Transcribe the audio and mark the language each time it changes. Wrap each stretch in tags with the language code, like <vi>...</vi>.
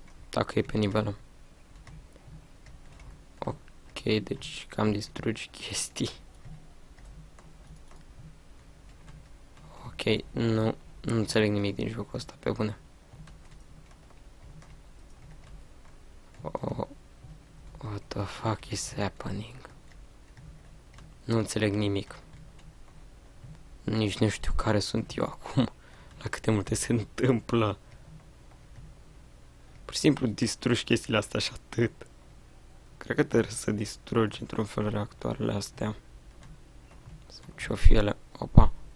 <ro>Dacă e pe nivele. Ok, deci cam distrugi chestii. Ok, nu înțeleg nimic din jocul ăsta, pe bune.</ro> <en>Oh, what the fuck is happening?</en> <ro>Nu înțeleg nimic. Nici nu știu care sunt eu acum. La câte multe se întâmplă. Pur și simplu distrugi chestiile astea și atât. Cred că trebuie să distrugi într-un fel reactoarele astea. Sunt ce-o fi ele. Opa.</ro>